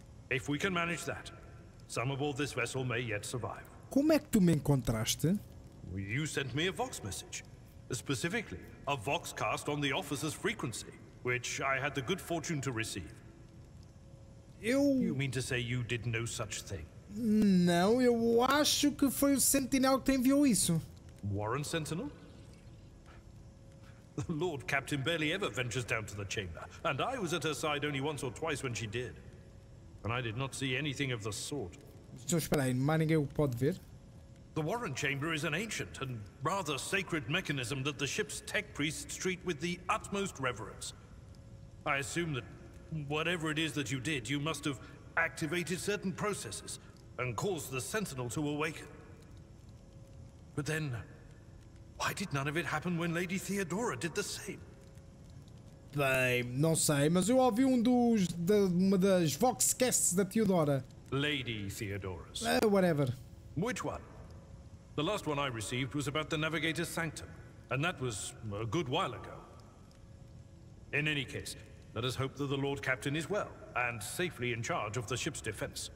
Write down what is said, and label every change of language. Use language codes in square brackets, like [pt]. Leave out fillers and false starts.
[en] If we can manage that, some aboard this vessel may yet survive. [pt] Como é que tu me encontraste? [en] You sent me a Vox message. Specifically, a Vox cast on the officer's frequency, which I had the good fortune to receive. You mean to say you did no such thing? [pt] Não, eu acho que foi o Sentinel que te enviou isso. [en] Warren Sentinel? The Lord Captain barely ever ventures down to the chamber, and I was at her side only once or twice when she did. And I did not see anything of the sort. [pt] Então espera aí, mais ninguém o pode ver? [en] The Warren Chamber is an ancient and rather sacred mechanism that the ship's tech priests treat with the utmost reverence. I assume that whatever it is that you did, you must have activated certain processes and caused the Sentinel to awaken. But then, why did none of it happen when Lady Theodora did the same? [pt] Bem, não sei, mas eu ouvi uma das Vox casts da Theodora. [en] Lady Theodora's. Whatever. Which one? The last one I received was about the Navigator's Sanctum, and that was a good while ago. In any case, let us hope that the Lord Captain is well and safely in charge of the ship's defense.